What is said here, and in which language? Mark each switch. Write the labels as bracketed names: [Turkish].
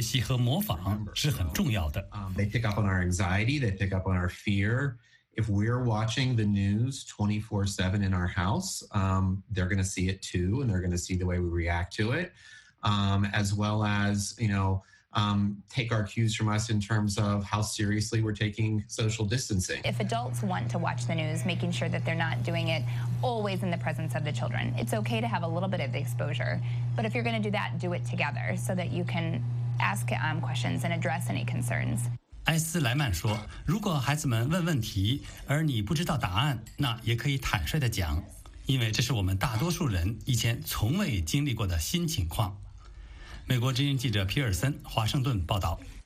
[Chinese] 他是附属哈佛大学的贝克法官儿童中心的主任兼首席执行官。弗兰克斯说，父母和监护人一定要记住，孩子从成人那里学习和模仿是很重要的。 [English] They pick up on our anxiety, they pick up on our fear. If we're watching the news 24/7 in our house, they're going to see it too, and they're going to see the way we react to it, as well as, you know, take our cues from us in terms of how seriously we're taking social distancing. If adults want to watch the news, making sure that they're not doing it always in the presence of the children, it's okay to have a little bit of exposure. But if you're going to do that, do it together so that you can ask questions and address any concerns. [Chinese] 埃斯莱曼说, 如果孩子们问问题, 而你不知道答案, 那也可以坦率地讲, 因为这是我们大多数人以前从未经历过的新情况。美国之音记者皮尔森，华盛顿报道。